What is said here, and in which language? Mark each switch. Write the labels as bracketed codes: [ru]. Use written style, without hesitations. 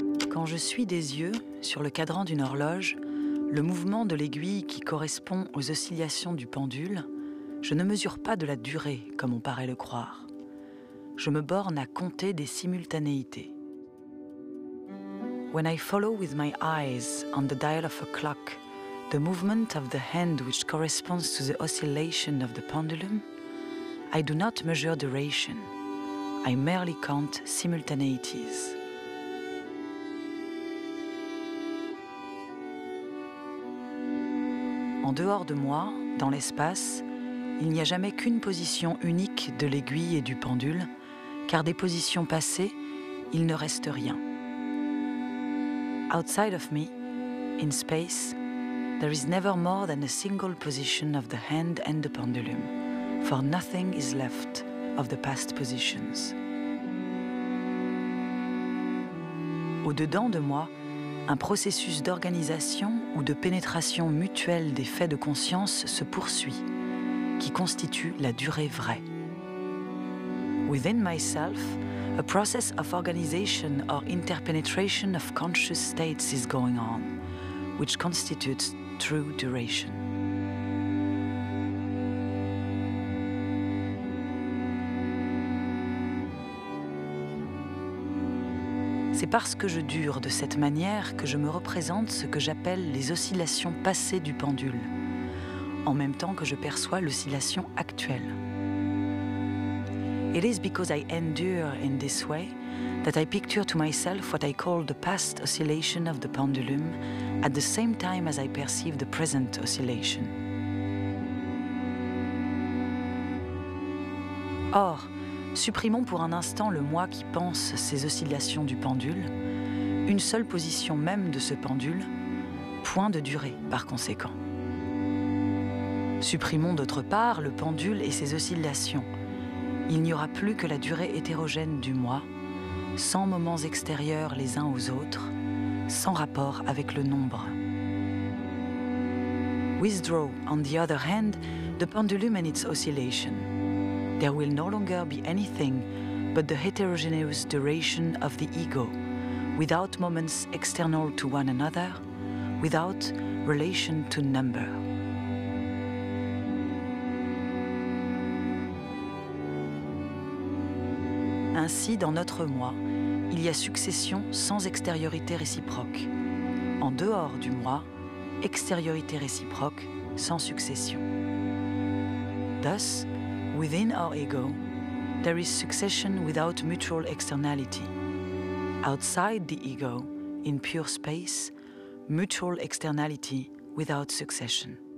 [fr] Quand je suis des yeux sur le cadran d'une horloge, le mouvement de l'aiguille qui correspond aux oscillations du pendule, je ne mesure pas de la durée comme on paraît le croire. Je me borne à compter des simultanéités. [en] When I follow with my eyes on the dial of a clock, the movement of the hand which corresponds to the oscillation of the pendulum, I do not measure duration. I merely count simultaneities. [fr] En dehors de moi, dans l'espace, il n'y a jamais qu'une position unique de l'aiguille et du pendule, car des positions passées, il ne reste rien. [en] Outside of me, in space, there is never more than a single position of the hand and the pendulum, for nothing is left of the past positions. [fr] Au-dedans de moi, un processus d'organisation ou de pénétration mutuelle des faits de conscience se poursuit, qui constitue la durée vraie. [en] Within myself, a process of organization or interpenetration of conscious states is going on, which constitutes true duration. [fr] C'est parce que je dure de cette manière que je me représente ce que j'appelle les oscillations passées du pendule, en même temps que je perçois l'oscillation actuelle. [en] It is because I endure in this way that I picture to myself what I call the past oscillation of the pendulum at the same time as I perceive the present oscillation. [fr] Or, supprimons pour un instant le moi qui pense ces oscillations du pendule, une seule position même de ce pendule, point de durée par conséquent. Supprimons d'autre part le pendule et ses oscillations. Il n'y aura plus que la durée hétérogène du moi, sans moments extérieurs les uns aux autres, sans rapport avec le nombre. [en] Withdraw, on the other hand, the pendulum and its oscillation. There will no longer be anything but the heterogeneous duration of the ego, without moments external to one another, without relation to number. [fr] Ainsi, dans notre moi, il y a succession sans extériorité réciproque. En dehors du moi, extériorité réciproque sans succession. [en] Thus, within our ego, there is succession without mutual externality. Outside the ego, in pure space, mutual externality without succession.